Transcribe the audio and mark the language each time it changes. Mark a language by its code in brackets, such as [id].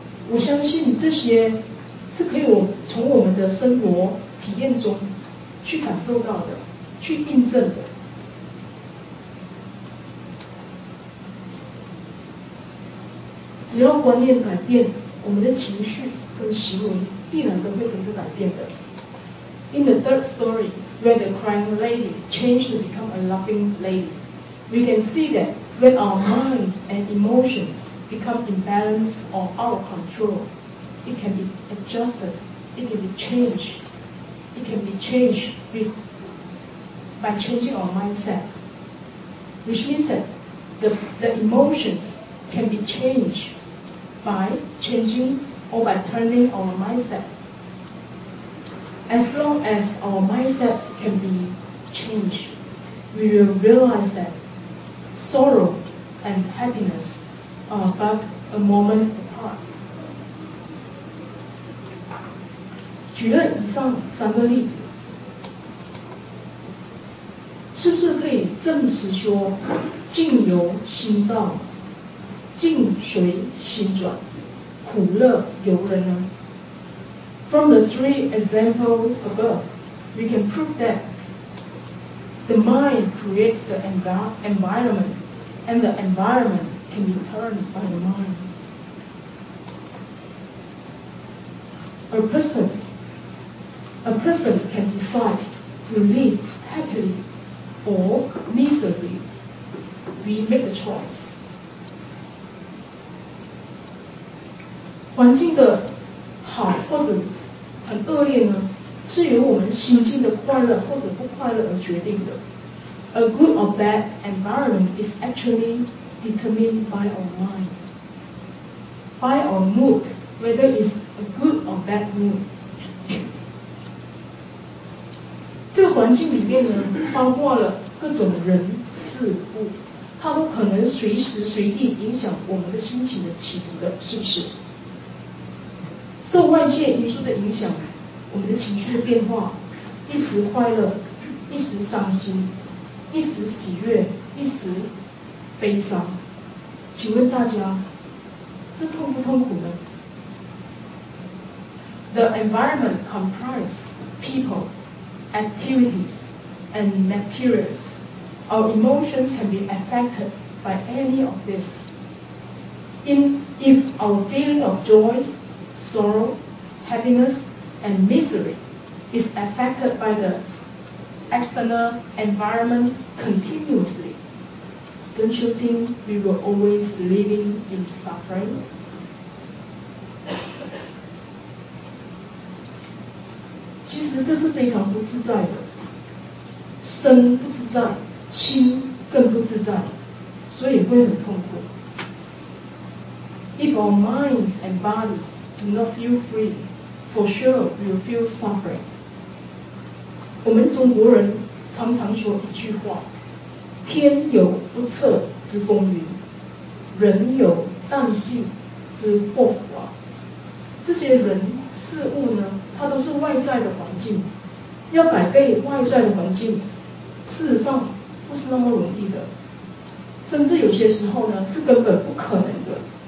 [zh] 我相信这些是可以从我们的生活体验中去感受到的，去印证的。只要观念改变，我们的情绪跟行为必然都会跟着改变的。 [en] In the third story. Where the crying lady changed to become a loving lady. We can see that when our minds and emotions become imbalanced or out of control, It can be adjusted. It can be changed. It can be changed by changing our mindset, which means that the emotions can be changed by changing or by turning our mindset. As long as our mindset can be changed, we will realize that sorrow and happiness are but a moment apart. [zh] 举了以上三个例子，是不是可以证实说，境由心造，境随心转，苦乐由人呢？ [en] From the three examples above, we can prove that the mind creates the environment, and the environment can be turned by the mind. A person can decide to live happily or miserably. We make the choice. [zh] 环境的好或者很恶劣呢，是由我们心境的快乐或者不快乐而决定的。 [en] A good or bad environment is actually determined by our mind, by our mood, whether it's a good or bad mood. [zh] 这个环境里面呢，包括了各种人事物，它都可能随时随地影响我们的心情的起伏的，是不是？受外界因素的影响，我们的情绪的变化，一时快乐，一时伤心，一时喜悦，一时悲伤。请问大家，这痛不痛苦呢？ [en] The environment comprises people, activities, and materials. Our emotions can be affected by any of this. If our feeling of joy, sorrow, happinessand misery is affected by the external environment continuously, don't you think we were always living in suffering? [zh] 其实这是非常不自在的，身不自在，心更不自在，所以会很痛苦。 [en] If our minds and bodies do not feel free,For sure, you feel suffering. [zh] 我们中国人常常说一句话，天有不测之风云，人有旦夕之祸福啊。这些人事物呢，它都是外在的环境，要改变外在的环境，事实上不是那么容易的，甚至有些时候呢，是根本不可能的。